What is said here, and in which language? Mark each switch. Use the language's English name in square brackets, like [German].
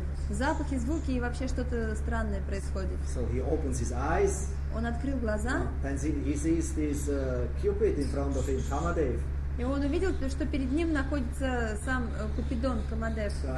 [Russian] Запахи, звуки и вообще что-то странное происходит. [English] So he opens his eyes. [Russian] Он открыл глаза. [English] And he sees this Cupid in front of him, Kamadev. [Russian] И он увидел, что перед ним находится сам Купидон, Камадев.